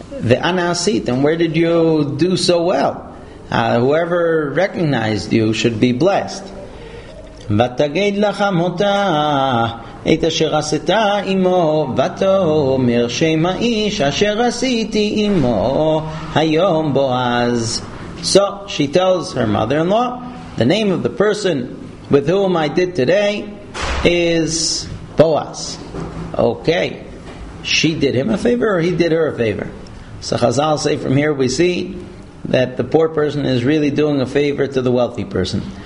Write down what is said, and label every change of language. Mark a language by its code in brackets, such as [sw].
[en] The anasit, and where did you do so well? Whoever recognized you should be blessed. [he] ותגיד לחמותה את אשר עשתה עמו, ותאמר שם האיש אשר עשיתי עמו היום בועז. [en] So she tells her mother-in-law, the name of the person with whom I did today is Boaz. Okay, she did him a favor or he did her a favor? So Chazal say from here we see that the poor person is really doing a favor to the wealthy person.